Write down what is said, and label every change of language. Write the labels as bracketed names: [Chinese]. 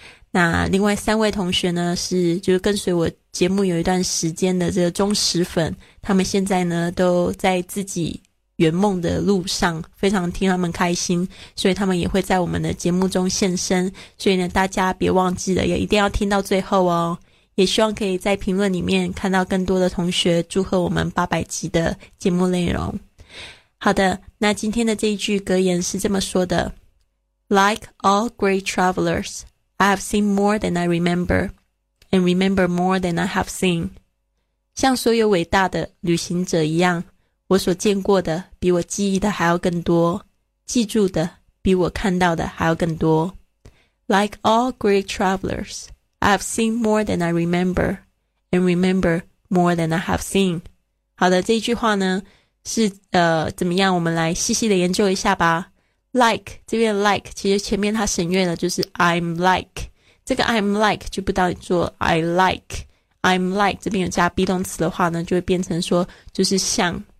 [Chinese] 那另外三位同学呢是就是跟随我节目有一段时间的这个忠实粉，他们现在呢都在自己圆梦的路上，非常替他们开心，所以他们也会在我们的节目中现身，所以呢大家别忘记了也一定要听到最后哦，也希望可以在评论里面看到更多的同学祝贺我们800集的节目内容。好的，那今天的这一句格言是这么说的， [English] Like all great travelers, I have seen more than I remember, and remember more than I have seen. [Chinese] 像所有伟大的旅行者一样，我所见过的比我记忆的还要更多，记住的比我看到的还要更多。 [English] Like all great travelers, I have seen more than I remember, and remember more than I have seen. [Chinese] 好的，这一句话呢是怎么样，我们来细细的研究一下吧。 Like 这边 like 其实前面它省略了，就是 [English] I'm like， [Chinese] 这个 I'm like 就不当做 I like， I'm like 这边有加 be 动词的话呢就会变成说就是像。